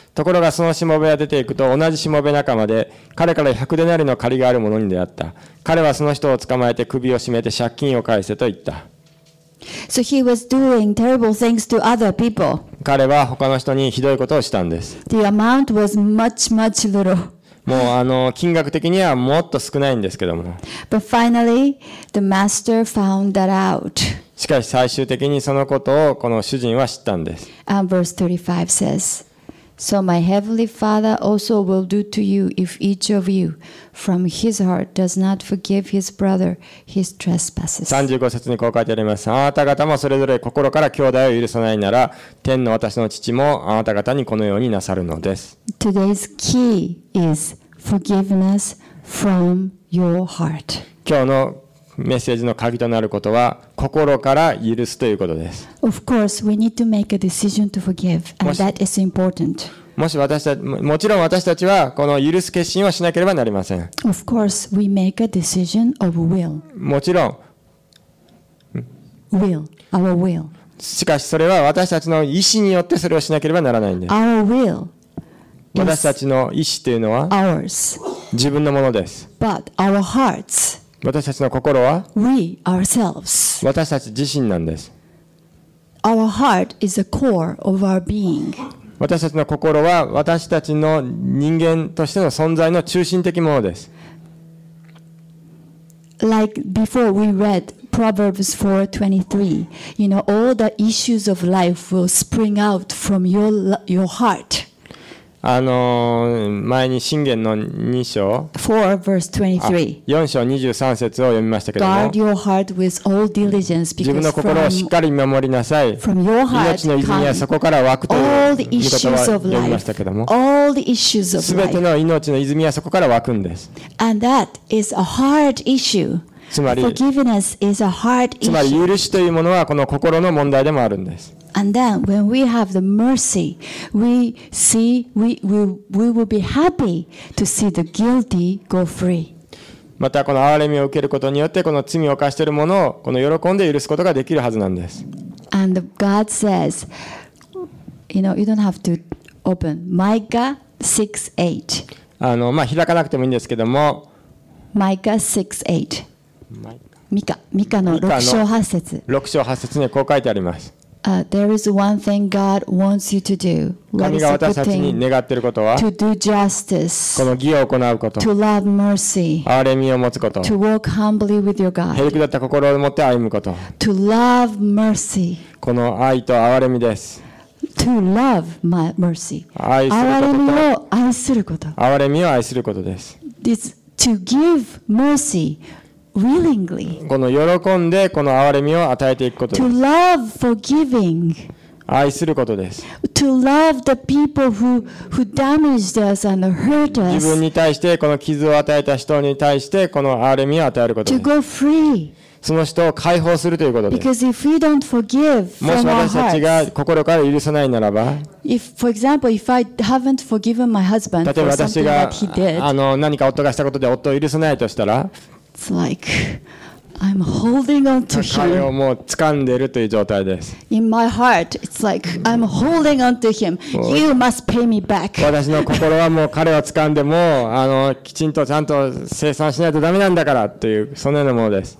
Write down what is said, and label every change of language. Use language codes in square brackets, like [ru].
[ja] ところがそのしもべは出ていくと、同じしもべ仲間で彼から100デナリの借りがあるものに出会った。彼はその人を捕まえて首を絞めて借金を返せと言った。 [en] So he was doing terrible things to other people. [ja] 彼は他の人にひどいことをしたんです。 [en] The amount was much, much little. [ja] もう金額的にはもっと少ないんですけども。 [en] But finally, the master found that out. [ja] しかし最終的にそのことをこの主人は知ったんです。 [en] And verse 35 says, So my heavenly Father also will do to you if each of you from his heart does not forgive his brother his trespasses. [ja] 35節にこう書いてあります。あなた方もそれぞれ心から兄弟を許さないなら、天の私の父もあなた方にこのようになさるのです。 [en] Today's key is forgiveness from your heart. [ja] 今日のメッセージの鍵となることは心から許すということです。 [en] Of course, we need to make a decision to forgive, and that is important. [ja] もちろん私たちはこの許す決心をしなければなりません。 [en] Of course, we make a decision of will. [ja] もちろん。 [en] Will, our will. [ja] しかしそれは私たちの意思によってそれをしなければならないんです。 [en] Our will. [ja] 私たちの意思というのは [en] ours. [ja] 自分のものです。 [en] But our hearts. [ja] 私たちの心は [en] We ourselves. [ja] 私たち自身なんです。 [en] Our heart is the core of our being. [ja] 私たちの心は私たちの人間としての存在の中心的ものです。 [en] Like before we read Proverbs 4:23, you know, all the issues of life will spring out from your heart. [ja] 前に箴言の2章 [en] 4, verse 23. [ja] 4章23節を読みましたけども [en] Guard your heart with all diligence because [ja] 自分の心をしっかり見守りなさい [en] from your heart [ja] 命の泉はそこから湧くという言葉を読みましたけども [en] all the issues of life. [ja] 全ての命の泉はそこから湧くんです [en] And that is a hard issue. Forgiveness is a hard issue. [ja] つまり許しというものはこの心の問題でもあるんです [en] And then, when we have the mercy, we see we will be happy to see the guilty go free. [ja] またこの憐れみを受けることによってこの罪を犯しているものをこの喜んで許すことができるはずなんです。 [en] And God says, you know, you don't have to open Micah 6:8. [ja] あの、まあ、開かなくてもいいんですけども。 Micah 6:8. ミカの6章8節。 6章8節にこう書いてあります。 [en] There is one thing God wants you to do. [ja] 神が私たちに願っていることは、 [en] to do justice, [ja] この義を行うこと、 [en] to love mercy, [ja] 憐れみを持つこと、 [en] to walk humbly with your God, [ja] へりくだった心を持って歩むこと、 [en] to love mercy, [ja] この愛と憐れみです。 [en] to love my mercy, [ja] 愛することと、憐れみを愛すること、憐れみを愛することです。 [en] This, to give mercy. Willingly. [ja] この喜んでこの憐れみを与えていくことです。 [en] To love forgiving. [ja] 愛することです。 [en] To love the people who damaged us and hurt us. [ja] 自分に対してこの傷を与えた人に対してこの憐れみを与えることです。 [en] To go free. [ja] その人を解放するということです。 [en] Because if we don't forgive from our hearts, [ja] もし私たちが心から許さないならば、 [en] If, for example, if I haven't forgiven my husband for something that he did, [ja] 例えば私が何か夫がしたことで夫を許さないとしたら、 [en] It's like I'm holding on to him. [ja] 彼をもう掴んでいるという状態です。 [en] In my heart, it's like I'm holding on to him. You must pay me back. [ja] 私の心はもう彼を掴んでもきちんとちゃんと清算しないとダメなんだからというそのようなものです。